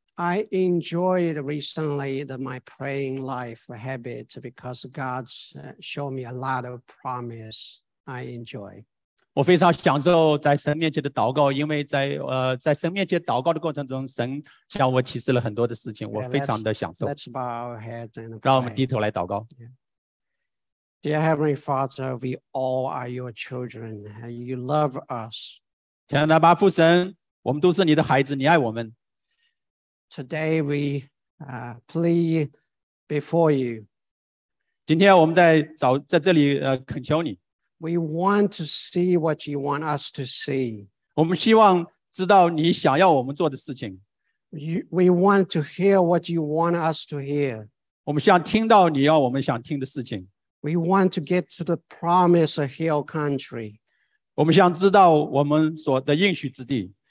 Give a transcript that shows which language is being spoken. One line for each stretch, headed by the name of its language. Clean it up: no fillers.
English: I enjoyed recently my praying life habit because God's showed me a lot of promise I enjoy.
Chinese: 我非常享受在神面前的祷告因为 在神面前祷告的过程中神向我启示了很多的事情 yeah, 我非常的享受。
English: Let's bow our heads and pray.
Chinese: 让我们低头来祷告。 Yeah.
English: Dear Heavenly Father, we all are your children. You love us.
Chinese: 天父父神我们都是你的孩子你爱我们。
English: Today we plead before you.
Chinese: 今天我们在这里恳求你。
English: We want to see what you want us to see.
Chinese: 我们希望知道你想要我们做的事情。
English: We want to hear what you want us to hear.
Chinese: 我们想听到你要我们想听的事情。
English: We want to get to the promise of Hill Country.
Chinese: 我们想知道我们所的应许之地。